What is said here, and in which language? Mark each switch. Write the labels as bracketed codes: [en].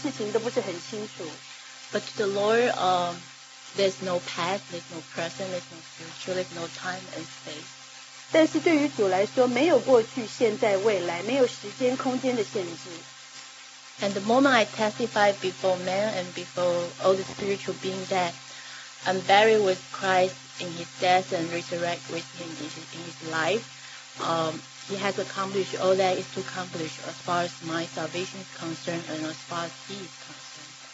[zh] 对我来说，我是在30多年以前我受浸的，那时候我很年轻，什么事情都不是很清楚。But [en] to the Lord, there's no past, there's no present, there's no future, there's no time and space. [zh] 但是对于主来说,没有过去,现在,未来,没有时间空间的限制。 [en] And the moment I testify before man and before all the spiritual beings that I'm buried with Christ in his death and resurrect with him in his life, he has accomplished all that is to accomplish as far as my salvation is concerned and as far as he is concerned.